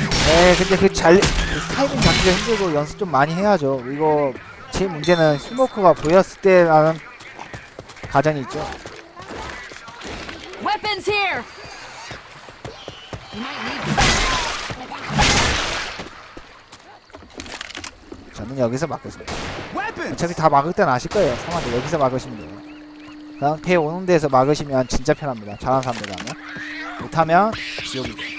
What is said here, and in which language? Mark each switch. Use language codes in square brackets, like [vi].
[ko] 예, 근데 그 잘, 타이밍 잡기가 힘들고 연습 좀 많이 해야죠. 이거, 제 문제는 스모커가 보였을 때라는 가정이 있죠. [en] Weapons here. You might need. [ko] 저는 여기서 막겠습니다. 어차피 다 막을 때는 아실 거예요. 상황들 여기서 막으시면 돼요. 상태 오는 데서 막으시면 진짜 편합니다. 잘하는 사람들 하면. 못하면 지옥이죠.